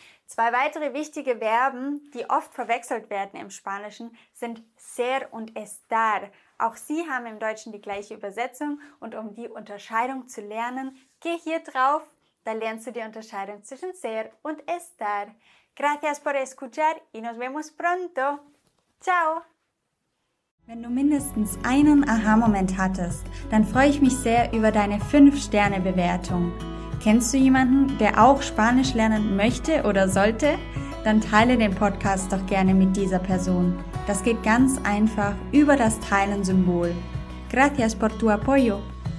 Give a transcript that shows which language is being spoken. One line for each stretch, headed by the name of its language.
German: Zwei weitere wichtige Verben, die oft verwechselt werden im Spanischen, sind ser und estar. Auch sie haben im Deutschen die gleiche Übersetzung und um die Unterscheidung zu lernen, geh hier drauf. Da lernst du die Unterscheidung zwischen ser und estar.
Spanish: Gracias por escuchar y nos vemos pronto. Ciao!
German: Wenn du mindestens einen Aha-Moment hattest, dann freue ich mich sehr über deine 5-Sterne-Bewertung. Kennst du jemanden, der auch Spanisch lernen möchte oder sollte? Dann teile den Podcast doch gerne mit dieser Person. Das geht ganz einfach über das Teilen-Symbol.
Spanish: Gracias por tu apoyo.